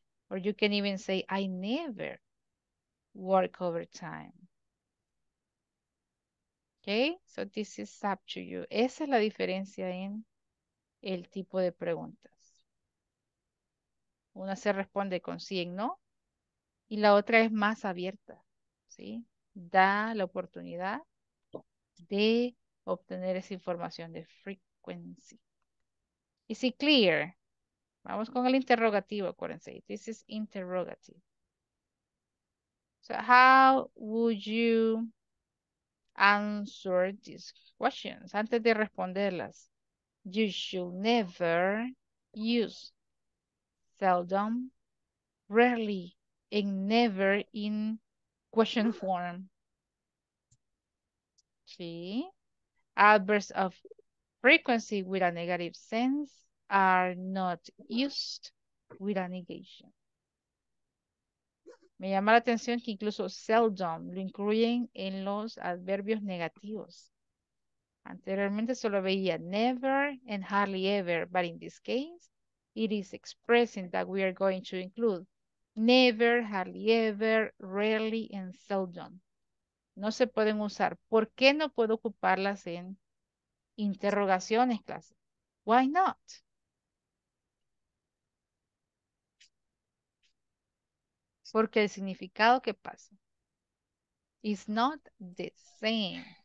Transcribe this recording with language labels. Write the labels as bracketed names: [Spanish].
[English] Or you can even say, I never work overtime. Okay, so this is up to you. [Spanish] Esa es la diferencia en el tipo de preguntas. Una se responde con sí y no, y la otra es más abierta. ¿Sí? Da la oportunidad de obtener esa información de frequency. [English] Is it clear? [Spanish] Vamos con el interrogativo, acuérdense. [English] This is interrogative. So how would you answer these questions? [Spanish] Antes de responderlas, [English] you should never use seldom, rarely, and never in question form. Sí. Adverbs of frequency with a negative sense are not used with a negation. [Spanish] Me llama la atención que incluso seldom lo incluyen en los adverbios negativos. Anteriormente solo veía never and hardly ever, but in this case, it is expressing that we are going to include never, hardly ever, rarely, and seldom. No se pueden usar. ¿Por qué no puedo ocuparlas en interrogaciones, clase? [English] Why not? [Spanish] Porque el significado, ¿qué pasa? [English] It's not the same.